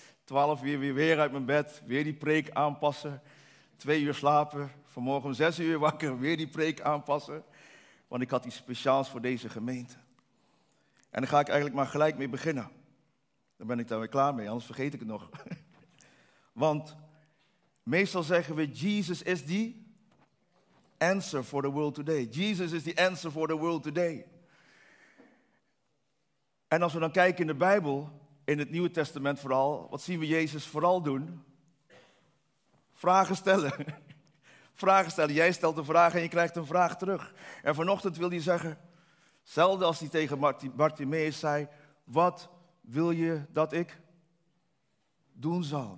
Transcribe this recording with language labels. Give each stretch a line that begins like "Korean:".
Dutch: 12 uur weer uit mijn bed, weer die preek aanpassen. 2 uur slapen, vanmorgen 6 uur wakker, weer die preek aanpassen. Want ik had iets speciaals voor deze gemeente. En daar ga ik eigenlijk maar gelijk mee beginnen. Dan ben ik daar weer klaar mee, anders vergeet ik het nog. Want meestal zeggen we,
English: Jesus is die answer for the world today. Jesus is the answer for the world today.
Dutch: En als we dan kijken in de Bijbel, in het Nieuwe Testament vooral, wat zien we Jezus vooral doen? Vragen stellen. Vragen stellen. Jij stelt een vraag en je krijgt een vraag terug. En vanochtend wil hij zeggen, zelden als hij tegen Bartimaeus zei, wat wil je dat ik doen zal?